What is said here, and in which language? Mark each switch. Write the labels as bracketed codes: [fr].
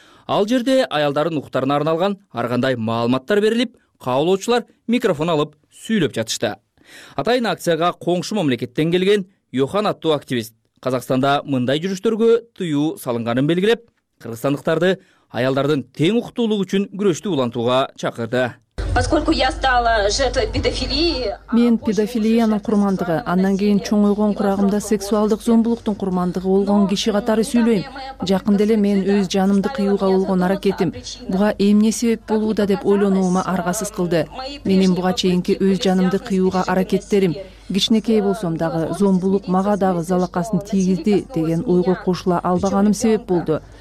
[ky] Ал жерде аялдардын укуктарына арналган ар кандай маалыматтар берилип, каалоочулар микрофон алып сүйлөп жатышты. Атайын акцияга коңшу мамлекеттен келген Йохан аттуу активист Казакстанда мындай жүрүштөргө тыюу салынганын белгилеп, кыргызстандыктарды аялдардын тең укуктуулугу үчүн күрөштү улантууга чакырды. [ru] Поскольку я стала жертвой педофилии. [ky] Мен педофилиянын курмандыгы, андан кийин чоңойгон курагымда сексуалдык зомбулуктун курмандыгы болгон киши катары сүйлөйм. Жакын деле мен өз жанымды кыюуга болгон аракетим буга эмне себеп болууда деп ойлонуума аргасыз кылды. Менин буга чейинки өз жанымды кыюуга аракеттерим кичинекей болсом дагы зомбулук мага дагы залакасын тийгизди деген ойго кошула албаганым себеп болду.